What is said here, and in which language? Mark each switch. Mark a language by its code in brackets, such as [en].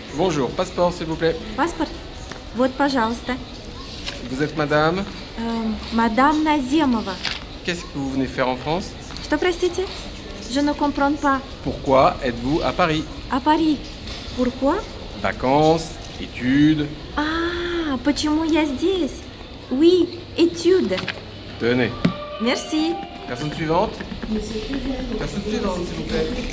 [fr] Bonjour, passeport, s'il vous plaît. [ru] Passeport. Вот, пожалуйста. [fr] Vous êtes madame? Madame Nazimova. Qu'est-ce que vous venez faire en France? [ru] Что, простите? [fr] Je ne comprends pas. Pourquoi êtes-vous à Paris? À Paris. Pourquoi? Vacances, études. [ru] Ah, почему я здесь? [fr] Oui, études. Tenez. Merci. Personne suivante, s'il vous plaît.